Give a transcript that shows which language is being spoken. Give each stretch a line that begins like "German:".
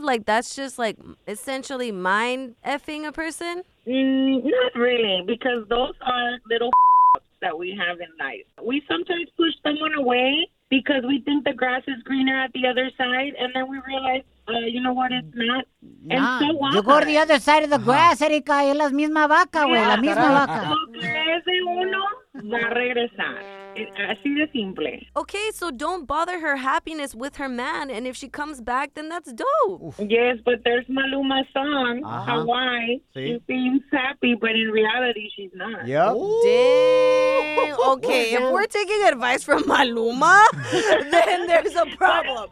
English: Like, that's just, like, essentially mind-effing a person? Not really, because those are little f***ups that we have in life. We sometimes push someone away because we think the grass is greener at the other side, and then we realize, you know what, it's not. And so what? You go to the other side of the grass, Erika,
Spanish: y la misma vaca, güey, la misma vaca. Lo que es de uno va a regresar.
English: Okay, so don't bother her happiness with her man, and if she comes back, then that's dope. Oof. Yes, but there's Maluma's song, Hawaii. See? She seems happy, but in reality, she's not. Yep. Ooh. Dang. Okay, if we're taking advice from Maluma, then there's a problem.